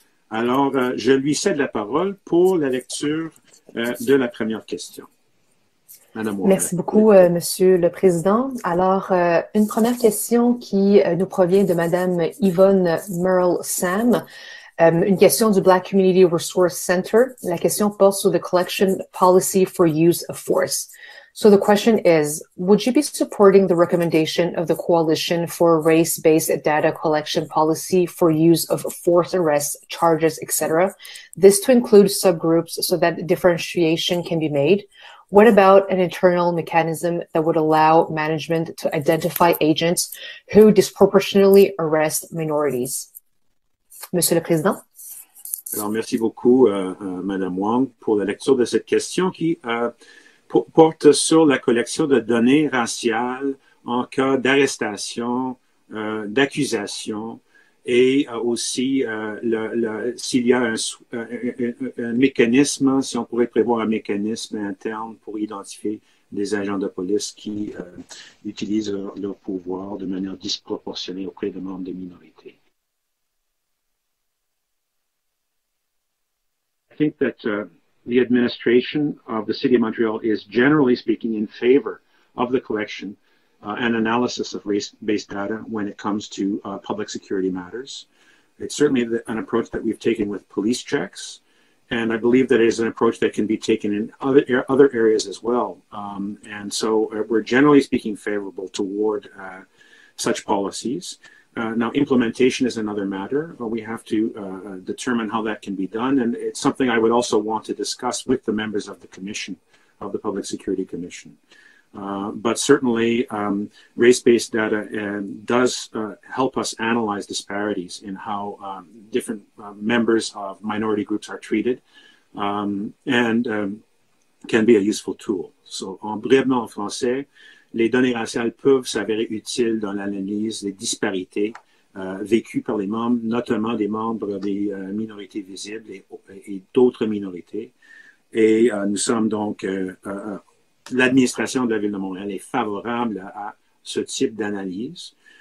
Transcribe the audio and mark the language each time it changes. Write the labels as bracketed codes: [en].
[fr] Alors, je lui cède la parole pour la lecture de la première question. Merci beaucoup, Monsieur le Président. Alors, une première question qui nous provient de Madame Yvonne Merle-Sam, une question du Black Community Resource Center. La question porte sur [en] the collection policy for use of force. So the question is, would you be supporting the recommendation of the Coalition for Race-Based Data Collection Policy for use of force arrests, charges, etc.? This to include subgroups so that differentiation can be made. What about an internal mechanism that would allow management to identify agents who disproportionately arrest minorities? [fr] Monsieur le Président? Alors, merci beaucoup, Madame Wang, pour la lecture de cette question qui porte sur la collection de données raciales en cas d'arrestation, d'accusation et aussi s'il y a un mécanisme, si on pourrait prévoir un mécanisme interne pour identifier des agents de police qui utilisent leur pouvoir de manière disproportionnée auprès de membres de minorités. [en] I think that the administration of the City of Montreal is generally speaking in favor of the collection and analysis of race-based data when it comes to public security matters. It's certainly an approach that we've taken with police checks, and I believe that it is an approach that can be taken in other areas as well. And so we're generally speaking favorable toward such policies. Now, implementation is another matter, but we have to determine how that can be done. And it's something I would also want to discuss with the members of the Commission, of the Public Security Commission. But certainly, race-based data does help us analyze disparities in how different members of minority groups are treated and can be a useful tool. [fr] So, en brièvement en français, les données raciales peuvent s'avérer utiles dans l'analyse des disparités vécues par les membres, notamment des membres des minorités visibles et d'autres minorités. Et nous sommes donc, l'administration de la Ville de Montréal est favorable à ce type d'analyse.